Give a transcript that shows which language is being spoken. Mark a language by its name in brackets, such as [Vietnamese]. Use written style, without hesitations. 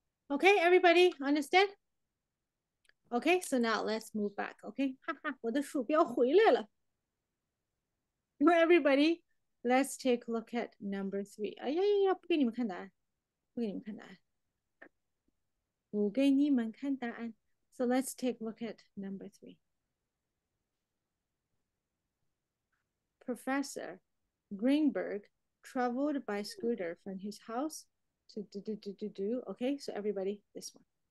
[English] Okay, everybody, understand? Okay, so now let's move back. [Chinese] Okay, 我的鼠标回来了. [English] Well, everybody, let's take a look at number three. [Chinese] 哎呀呀呀！不给你们看答案，不给你们看答案，不给你们看答案. [English] So let's take a look at number three. Professor Greenberg traveled by scooter from his house to do. Okay, so everybody, this one.